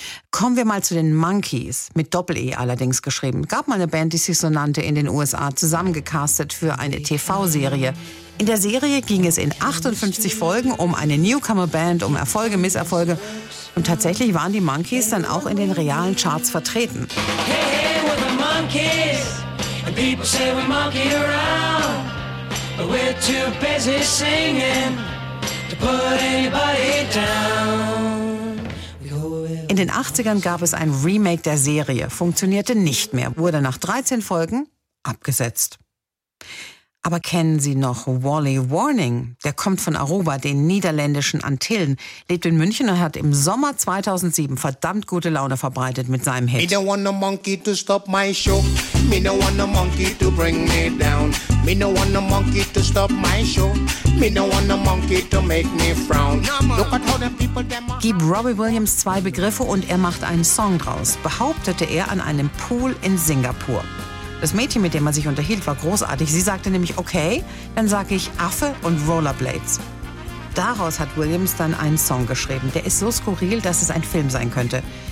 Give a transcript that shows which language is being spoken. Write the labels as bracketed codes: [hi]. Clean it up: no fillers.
[de] Kommen wir mal zu den Monkees, mit Doppel-E allerdings geschrieben. Gab mal eine Band, die sich so nannte, in den USA, zusammengecastet für eine TV-Serie. In der Serie ging es in 58 Folgen um eine Newcomer-Band, um Erfolge, Misserfolge. Und tatsächlich waren die Monkees dann auch in den realen Charts vertreten. [en] Hey, hey, we're the Monkees. And people say we monkey around. But we're too busy singing to put anybody down. [de] In den 80ern gab es ein Remake der Serie, funktionierte nicht mehr, wurde nach 13 Folgen abgesetzt. Aber kennen Sie noch Wally Warning? Der kommt von Aruba, den niederländischen Antillen, lebt in München und hat im Sommer 2007 verdammt gute Laune verbreitet mit seinem Hit. [en] Me don't want no monkey to stop my show. Me don't want no monkey to bring me down. Me don't want no monkey to stop my show. Me don't want no monkey to make me frown. Look at how the people them are. [de] Gib Robbie Williams zwei Begriffe und er macht einen Song draus, behauptete er an einem Pool in Singapur. Das Mädchen, mit dem er sich unterhielt, war großartig. Sie sagte nämlich, okay, dann sage ich Affe und Rollerblades. Daraus hat Williams dann einen Song geschrieben. Der ist so skurril, dass es ein Film sein könnte.